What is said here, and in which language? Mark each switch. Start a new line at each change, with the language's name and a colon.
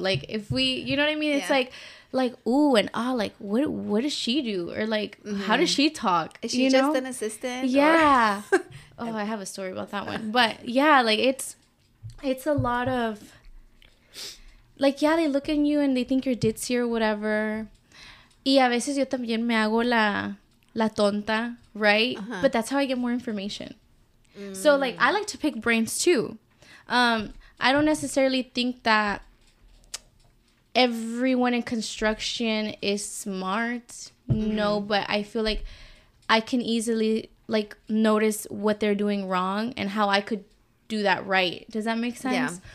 English: Like if we, you know what I mean? Yeah. It's like, ooh, and ah, like what does she do? Or like, mm-hmm. how does she talk? Is she just an assistant? Yeah. Or? Oh, I have a story about that one. But yeah, like it's a lot of... Like, yeah, they look at you and they think you're ditzy or whatever.
Spanish: Y a veces yo también me hago la tonta, right?
English: Uh-huh. But that's how I get more information. Mm. So, like, I like to pick brains, too. I don't necessarily think that everyone in construction is smart. Mm-hmm. No, but I feel like I can easily, like, notice what they're doing wrong and how I could do that right. Does that make sense? Yeah.